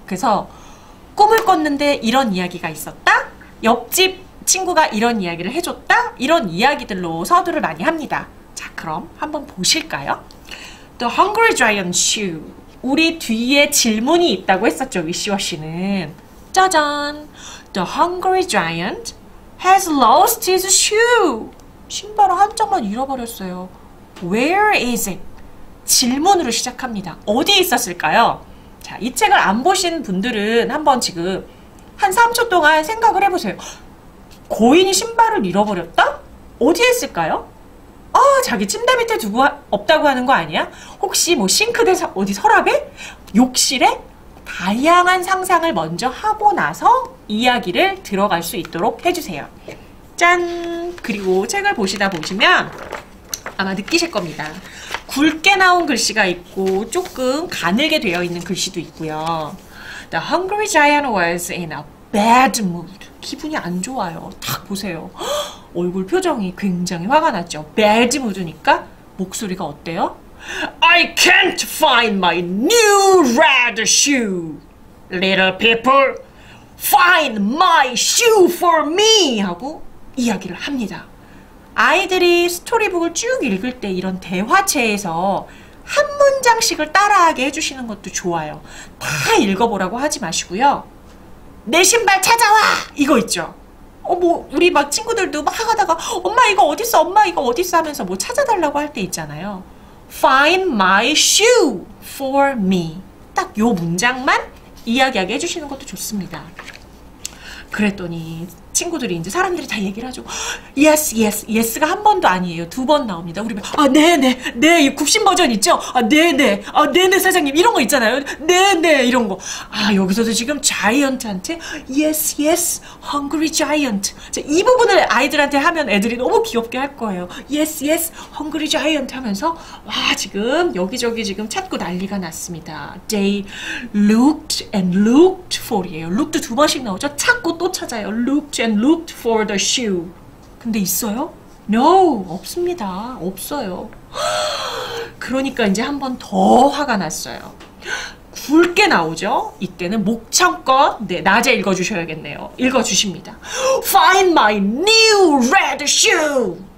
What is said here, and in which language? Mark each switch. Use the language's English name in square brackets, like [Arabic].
[Korean] 그래서 꿈을 꿨는데 이런 이야기가 있었다? 옆집 친구가 이런 이야기를 해줬다? 이런 이야기들로 서두를 많이 합니다. 자, 그럼 한번 보실까요? The Hungry Giant Shoe. 우리 뒤에 질문이 있다고 했었죠, 위시워시는. 짜잔! [English] The Hungry Giant has lost his shoe. [Korean] 신발을 한 짝만 잃어버렸어요. [English] Where is it? [Korean] 질문으로 시작합니다. 어디에 있었을까요? 자, 이 책을 안 보신 분들은 한번 지금 한 3초 동안 생각을 해보세요. 고인이 신발을 잃어버렸다? 어디에 있을까요? 아, 자기 침대 밑에 두고 없다고 하는 거 아니야? 혹시 뭐 싱크대 어디 서랍에? 욕실에? 다양한 상상을 먼저 하고 나서 이야기를 들어갈 수 있도록 해주세요. 짠! 그리고 책을 보시다 보시면 아마 느끼실 겁니다. 굵게 나온 글씨가 있고 조금 가늘게 되어 있는 글씨도 있고요. [English] The Hungry Giant was in a bad mood. [Korean] 기분이 안 좋아요. 딱 보세요. 얼굴 표정이 굉장히 화가 났죠. Bad mood니까 목소리가 어때요? [English] I can't find my new red shoe. Little people, find my shoe for me. [Korean] 하고 이야기를 합니다. 아이들이 스토리북을 쭉 읽을 때 이런 대화체에서 한 문장씩을 따라하게 해주시는 것도 좋아요. 다 읽어보라고 하지 마시고요. 내 신발 찾아와! 이거 있죠. 우리 막 친구들도 막 하다가 엄마 이거 어딨어? 엄마 이거 어딨어? 하면서 뭐 찾아달라고 할 때 있잖아요. [English] Find my shoe for me. [Korean] 딱 요 문장만 이야기하게 해주시는 것도 좋습니다. 그랬더니 친구들이 이제 사람들이 다 얘기를 하죠. Yes, yes, yes가 한 번도 아니에요. 두 번 나옵니다. 우리 막, 아, 네네, 네, 이 굽신 버전 있죠? 아, 네네, 아, 네네, 사장님. 이런 거 있잖아요. 네네, 이런 거. 아, 여기서도 지금 자이언트한테 [English] Yes, yes, hungry giant. [Korean] 자, 이 부분을 아이들한테 하면 애들이 너무 귀엽게 할 거예요. [English] Yes, yes, hungry giant [Korean] 하면서 와, 지금 여기저기 지금 찾고 난리가 났습니다. [English] They looked and looked for 이에요. [Korean] looked 두 번씩 나오죠? 찾고 또 찾아요. [English] looked and looked for the shoe. [Korean] 근데 있어요? No, 없습니다. 없어요. 그러니까 이제 한 번 더 화가 났어요. 붉게 나오죠? 이때는 목청껏 네, 낮에 읽어주셔야겠네요. 읽어주십니다. [English] Find my new red shoe!